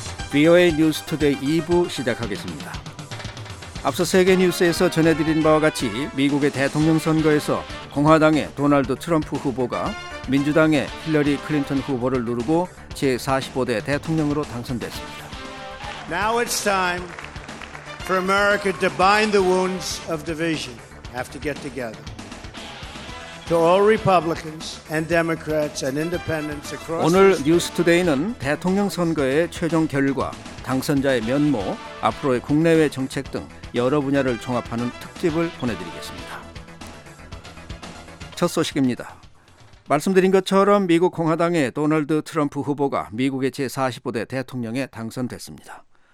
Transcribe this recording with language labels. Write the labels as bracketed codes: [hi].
[ko] VOA 뉴스 투데이 2부 시작하겠습니다. 앞서 세계 뉴스에서 전해드린 바와 같이 미국의 대통령 선거에서 공화당의 도널드 트럼프 후보가 민주당의 힐러리 클린턴 후보를 누르고 제45대 대통령으로 당선됐습니다. [en] Now it's time for America to bind the wounds of division. Have to get together. To all Republicans and Democrats and Independents across. [ko] 오늘 뉴스투데이는 대통령 선거의 최종 결과, 당선자의 면모, 앞으로의 국내외 정책 등 여러 분야를 종합하는 특집을 보내드리겠습니다. 첫 소식입니다. 말씀드린 것처럼 미국 공화당의 도널드 트럼프 후보가 미국의 제45대 대통령에 당선됐습니다.